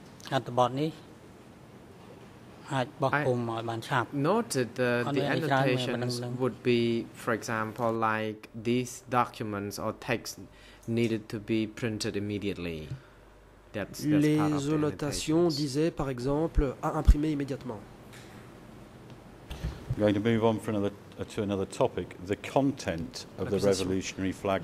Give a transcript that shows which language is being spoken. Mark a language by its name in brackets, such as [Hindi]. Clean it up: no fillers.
[English] Response. I noted that the annotations would be, for example, like these documents or texts needed to be printed immediately. That's [French] Les annotations disaient, par exemple, à imprimer immédiatement. [English] going to move on for another, to another topic, the content of the Revolutionary Flag